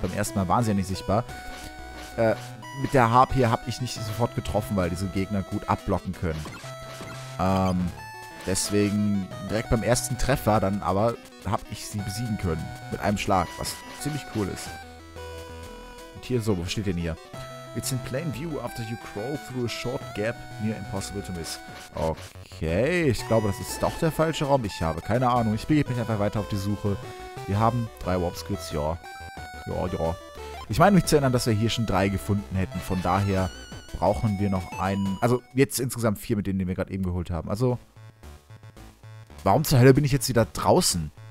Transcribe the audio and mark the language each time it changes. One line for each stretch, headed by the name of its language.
German: Beim ersten Mal waren sie ja nicht sichtbar. Mit der Harpie habe ich nicht sofort getroffen, weil diese Gegner gut abblocken können. Deswegen direkt beim ersten Treffer dann aber habe ich sie besiegen können. Mit einem Schlag, was ziemlich cool ist. Und hier, so, wo steht denn hier?
English: It's in plain view after you crawl through a short gap near impossible to miss.
German: Okay, ich glaube, das ist doch der falsche Raum. Ich habe keine Ahnung. Ich begebe mich einfach weiter auf die Suche. Wir haben 3 Warp-Skills, ja. Ja, ja. Ich meine mich zu erinnern, dass wir hier schon 3 gefunden hätten. Von daher brauchen wir noch einen... Also jetzt insgesamt 4 mit denen, die wir gerade eben geholt haben. Also, warum zur Hölle bin ich jetzt wieder draußen?